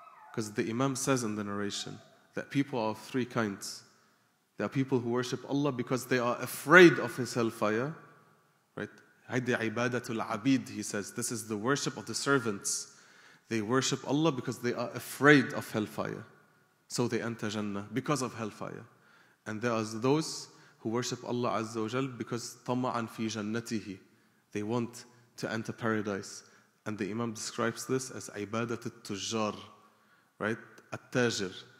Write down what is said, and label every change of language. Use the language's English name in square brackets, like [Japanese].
[English] Because the Imam says in the narration that people are of three kinds. There are people who worship Allah because they are afraid of His hellfire. Right? [Arabic] هذه عبادة العبيد, [English] he says. This is the worship of the servants. They worship Allah because they are afraid of hellfire. So they enter Jannah because of hellfire. And there are those who worship Allah Azza wa Jal because [Arabic] tama'an fi jannatihi. [English] They want to enter paradise. And the Imam describes this as [Arabic] ibadat al-tujjar, [English] right? At-tajir.